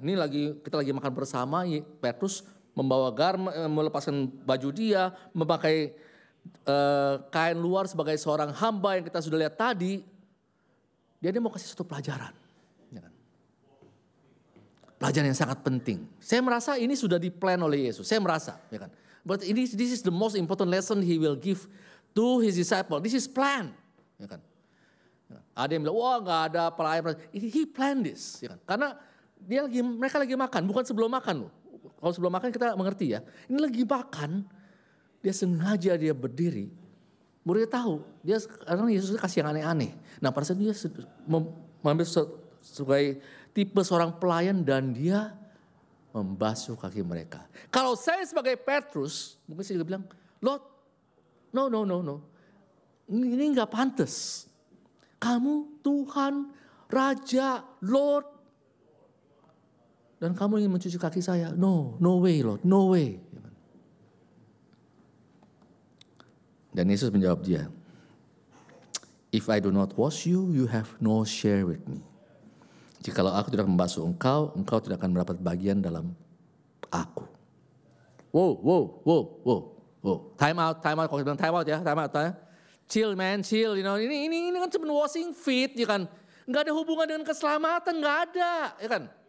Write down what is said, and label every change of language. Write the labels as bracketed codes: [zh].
[id] Ini lagi kita lagi makan bersama, Petrus membawa melepaskan baju dia, memakai kain luar sebagai seorang hamba yang kita sudah lihat tadi, dia ini mau kasih suatu pelajaran. Ya kan? Pelajaran yang sangat penting. Saya merasa ini sudah diplan oleh Yesus. Saya merasa. Ya kan? [en] But this is the most important lesson he will give to his disciple. This is plan. [id] Ya kan? Ya kan? Ada yang bilang, wah gak ada pelayan. [en] He planned this. [id] Ya kan? Karena dia lagi mereka lagi makan, bukan sebelum makan. Loh. Kalau sebelum makan kita mengerti ya. Ini lagi makan, dia sengaja dia berdiri. Muridnya tahu, dia sekarang Yesus kasih yang aneh-aneh. Nah pada saat dia mengambil sebagai tipe seorang pelayan dan dia membasuh kaki mereka. Kalau saya sebagai Petrus, mungkin saya juga bilang, [en] Lord, no. [id] Ini gak pantas. Kamu Tuhan, Raja, Lord. Dan kamu ingin mencuci kaki saya. [en] No way, Lord. [id] Dan Yesus menjawab dia, [en] if I do not wash you, you have no share with me. [id] Jikalau aku tidak membasuh engkau, engkau tidak akan mendapat bagian dalam aku. [en] Wow. Time out. [id] Kalau kita bilang [en] time out ya. Chill man. You know, [id] ini kan cuma [en] washing feet, [id] ya kan? Enggak ada hubungan dengan keselamatan, enggak ada, ya kan?